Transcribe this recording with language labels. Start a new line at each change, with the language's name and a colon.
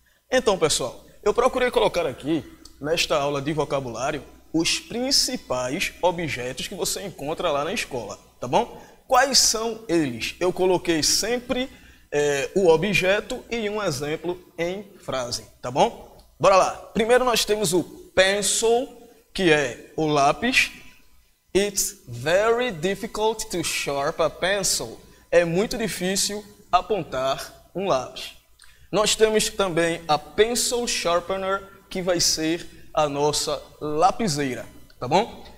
Portuguese: Então, pessoal, eu procurei colocar aqui, nesta aula de vocabulário, os principais objetos que você encontra lá na escola, tá bom? Quais são eles? Eu coloquei sempre o objeto e um exemplo em frase, tá bom? Bora lá. Primeiro nós temos o pencil, que é o lápis.
English: It's very difficult to sharp a pencil.
Portuguese: É muito difícil apontar um lápis. Nós temos também a pencil sharpener, que vai ser a nossa lapiseira, tá bom?